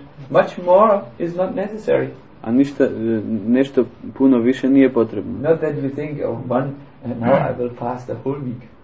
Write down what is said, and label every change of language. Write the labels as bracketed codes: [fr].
[en] Much more is not necessary. [sr] A ništa, nešto puno više nije potrebno. [en] Not that you think of one and now I will fast the whole week.